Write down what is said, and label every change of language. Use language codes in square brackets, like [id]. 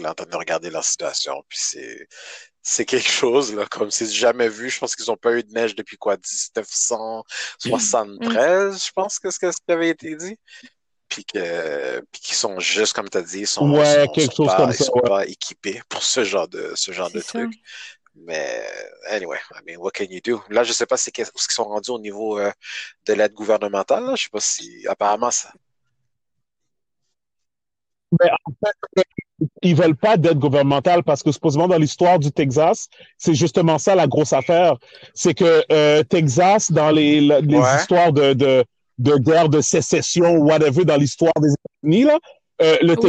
[fr] Là, en train de regarder leur situation. Puis c'est quelque chose, là, comme c'est jamais vu. Je pense qu'ils n'ont pas eu de neige depuis quoi, 1973, je pense que c'est ce qui avait été dit. Puis qu'ils sont juste, comme tu as dit, ils sont pas équipés pour ce genre de truc. [en] Mais, anyway, I mean, what can you do? [fr] Là, je sais pas si c'est ce qu'ils sont rendus au niveau de l'aide gouvernementale. Là. Je sais pas si, apparemment, ça. Mais en fait, ils veulent pas d'aide gouvernementale parce que supposément dans l'histoire du Texas, c'est justement ça la grosse affaire. C'est que Texas, dans les ouais. histoires de guerre, de sécession, whatever, dans l'histoire des États-Unis, là, le oui.